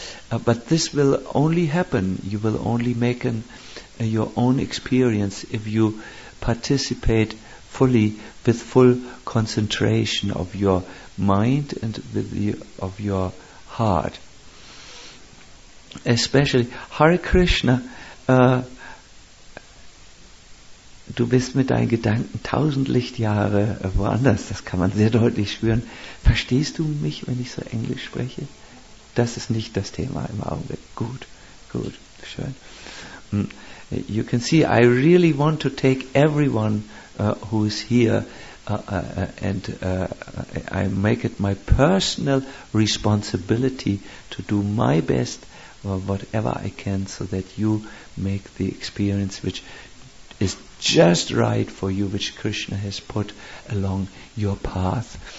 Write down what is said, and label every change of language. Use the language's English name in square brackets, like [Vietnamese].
[English] But this will only happen, you will only make your own experience if you participate fully with full concentration of your mind and of your heart. [German] Especially Hare Krishna, du bist mit deinen Gedanken tausend Lichtjahre woanders, das kann man sehr deutlich spüren. Verstehst du mich, wenn ich so Englisch spreche? Das ist nicht das Thema im Augenblick. Gut, gut, schön. [English] You can see, I really want to take everyone who is here and I make it my personal responsibility to do my best or whatever I can so that you make the experience which is just right for you, which Krishna has put along your path.